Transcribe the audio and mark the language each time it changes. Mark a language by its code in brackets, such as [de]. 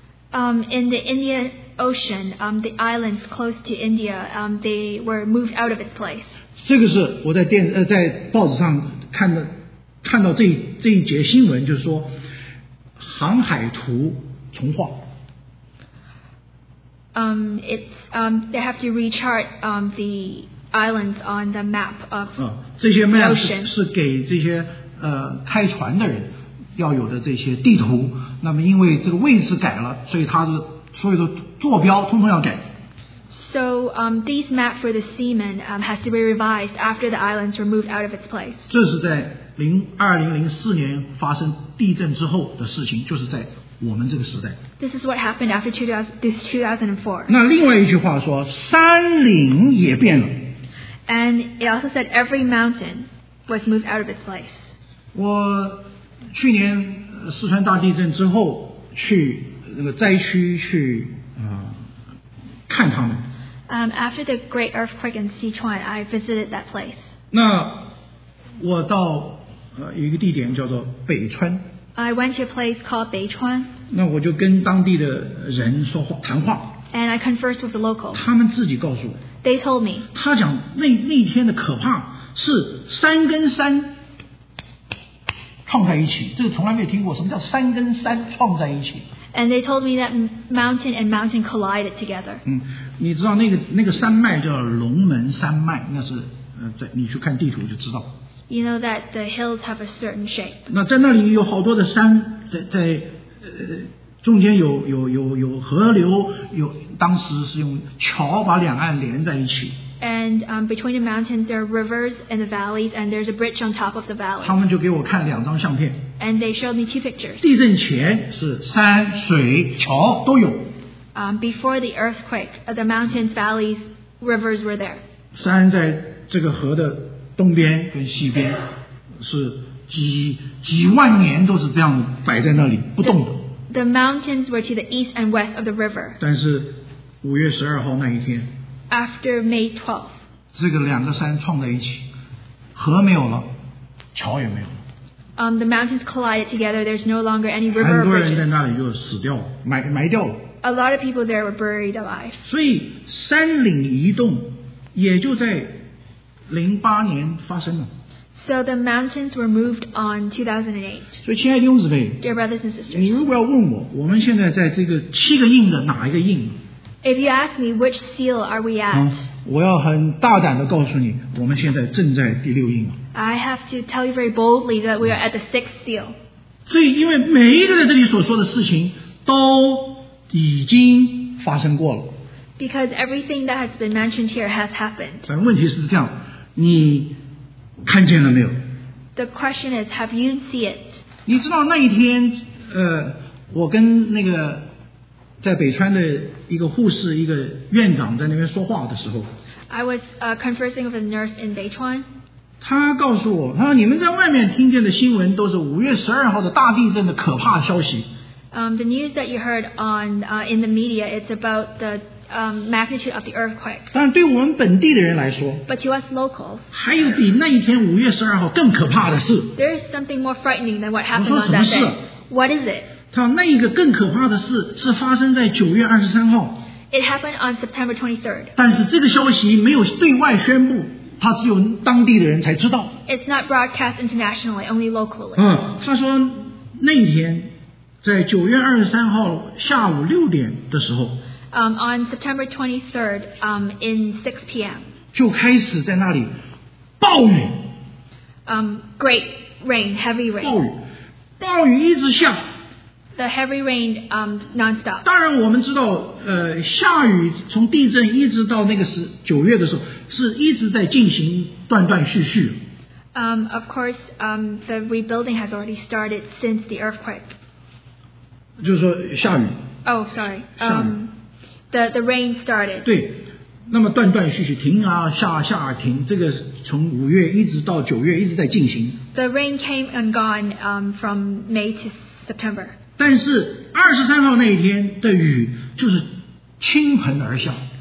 [en] In the Indian Ocean, the islands close to India, they were moved out of its place. [zh] 这个是我在电在报纸上看到这一节新闻，就是说航海图重画。 [en] They have to rechart the islands on the map of the ocean. [zh] 这些 map 是给这些开船的人要有的这些地图。那么因为这个位置改了，所以它的所有的坐标通通要改。 [en] So, these map for the seamen has to be revised after the islands were moved out of its place. [zh] 这是在2004年发生地震之后的事情，就是在我们这个时代。 [en] This is what happened after 2004. [zh] 那另外一句话说，山岭也变了。 [en] And it also said every mountain was moved out of its place. [zh] 我去年四川大地震之后去那个灾区去看他们。 [en] After the great earthquake in Sichuan, I visited that place. [zh] 那我到一个地点叫做北川。 [en] I went to a place called 北川。 [zh] 那我就跟当地的人说话谈话。 [en] And I conversed with the locals. [zh] 他们自己告诉我。 [en] They told me. [zh] 他讲那天的可怕是山跟山撞在一起，这个从来没有听过，什么叫山跟山撞在一起？ [en] And they told me that mountain and mountain collided together. [zh] 你知道那个山脉叫龙门山脉，那是在你去看地图就知道。 [en] You know that the hills have a certain shape. [zh] 那在那里有好多的山，在中间有河流，有当时是用桥把两岸连在一起。 [en] And between the mountains, there are rivers and the valleys, and there's a bridge on top of the valley. [zh] 他们就给我看两张相片。 [en] And they showed me two pictures. [zh] 地震前是山水桥都有。 [en] Before the earthquake, the mountains, valleys, rivers were there. [zh] 山在这个河的东边跟西边是几万年都是这样摆在那里不动的。 [en] The mountains were to the east and west of the river. [zh] 但是五月十二号那一天。 [en] After May 12th, [zh] 这个两个山撞在一起，河没有了，桥也没有了。 [en] The mountains collided together. There's no longer any river. [zh] 很多人在那里就死掉了，埋掉了。 [en] A lot of people there were buried alive. [zh] 所以山岭移动也就在2008年发生了。 [en] So the mountains were moved on 2008. [zh] 所以亲爱的弟兄姊妹， [en] Dear brothers and sisters, [zh] 你如果要问我，我们现在在这个七个印的哪一个印？ [en] If you ask me which seal are we at, [zh] 我要很大胆地告诉你，我们现在正在第六印。 [en] I have to tell you very boldly that we are at the sixth seal. [zh] 所以，因为每一个在这里所说的事情都已经发生过了。 [en] Because everything that has been mentioned here has happened. [zh] 但问题是这样，你看见了没有？ [en] The question is, have you seen it? [zh] 你知道那一天，我跟那个在北川的一个护士一个院长在那边说话的时候， [en] I was conversing with a nurse in 北川。 [zh] 他告诉我，他说你们在外面听见的新闻都是5月12号的大地震的可怕消息。 [en] The news that you heard on in the media it's about the magnitude of the earthquake. [zh] 但对我们本地的人来说， [en] But to us locals, [zh] 还有比那一天5月12号更可怕的事。 [en] There is something more frightening than what happened on that day. What is it? [zh] 他那一个更可怕的事是发生在9月23号。 [en] It happened on September 23rd. [zh] 但是这个消息没有对外宣布，他只有当地的人才知道。 [en] It's not broadcast internationally, only locally. [zh] 嗯，他说那天在9月23号下午6点的时候。 [en] On September 23rd, in 6 p.m. [zh] 就开始在那里暴雨。 [en] Great rain, heavy rain. [zh] 暴雨一直下。 [en] The heavy rain non-stop. [zh] 当然我们知道下雨从地震一直到那个时九月的时候是一直在进行断断续续。 [en] Of course, the rebuilding has already started since the earthquake. [zh] 就是说下雨。 [en] Oh, sorry. The rain started. [zh] 对。那么断断续续停啊下下停这个从五月一直到九月一直在进行。 [en] The rain came and gone from May to September. [zh] 但是二十三号那一天的雨就是倾盆而下。